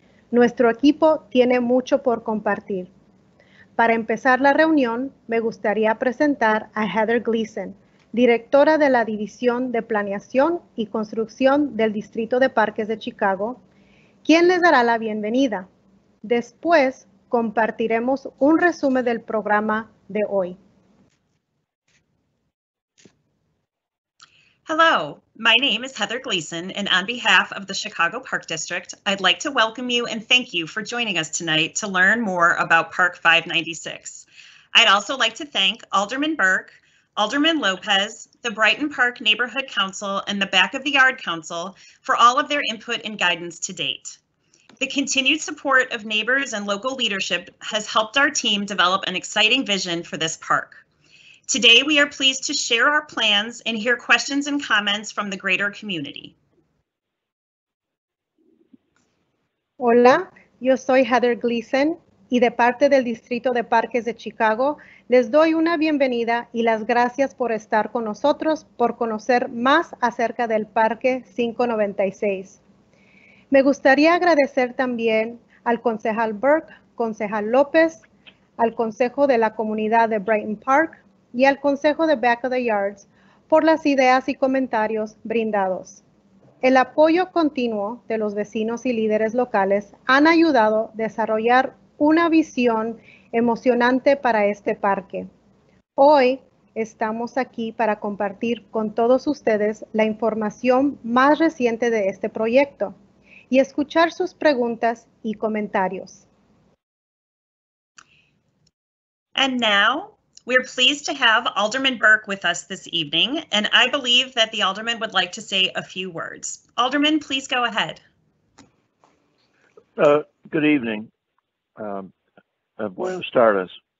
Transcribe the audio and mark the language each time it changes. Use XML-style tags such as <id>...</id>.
<es>Nuestro equipo tiene mucho por compartir. Para empezar la reunión, me gustaría presentar a Heather Gleason, directora de la División de Planeación y Construcción del Distrito de Parques de Chicago, quien les dará la bienvenida. Después, compartiremos un resumen del programa de hoy.</es> <en>Hello, my name is Heather Gleason, and on behalf of the Chicago Park District, I'd like to welcome you and thank you for joining us tonight to learn more about Park 596. I'd also like to thank Alderman Burke, Alderman Lopez, the Brighton Park Neighborhood Council, and the Back of the Yard Council for all of their input and guidance to date. The continued support of neighbors and local leadership has helped our team develop an exciting vision for this park. Today, we are pleased to share our plans and hear questions and comments from the greater community.</en> <es>Hola, yo soy Heather Gleason y de parte del Distrito de Parques de Chicago, les doy una bienvenida y las gracias por estar con nosotros por conocer más acerca del Parque 596. Me gustaría agradecer también al concejal Burke, concejal López, al Consejo de la Comunidad de Brighton Park y al Consejo de Back of the Yards por las ideas y comentarios brindados. El apoyo continuo de los vecinos y líderes locales han ayudado a desarrollar una visión emocionante para este parque. Hoy estamos aquí para compartir con todos ustedes la información más reciente de este proyecto y escuchar sus preguntas y comentarios.</es> <en>And now, we're pleased to have Alderman Burke with us this evening, and I believe that the Alderman would like to say a few words. Alderman, please go ahead. Good evening.</en> <es>Buenos tardes.</es>